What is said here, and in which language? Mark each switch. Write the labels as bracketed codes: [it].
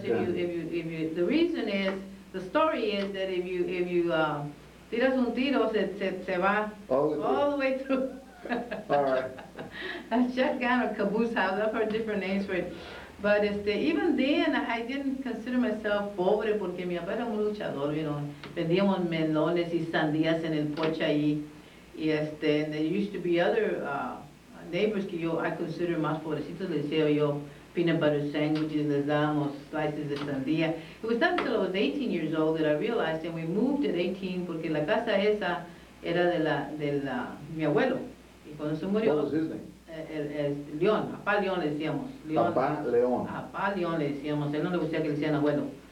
[en] Because the story is that if you [es] tiras un tiro, se va [en] all the way through. All right. A shotgun or caboose house, I've heard different names for it. But even then, I didn't consider myself [es] pobre porque mi papá era un luchador, [en] you know. [es] Vendíamos melones y sandías en el porche ahí. [en] And there used to be other neighbors [es] que yo, [en] I consider [es] más pobrecitos, les decía yo, [en] peanut butter sandwiches, [es] les damos [en] slices [es] de sandía. [en] It was not until I was 18 years old that I realized, and we moved at 18, [es] porque la casa esa era de la mi abuelo. Y cuando se murió, [en] what was his name? [es] León, Papá León le decíamos. León. Papá León le decíamos, él no le gustaba que le decían abuelo.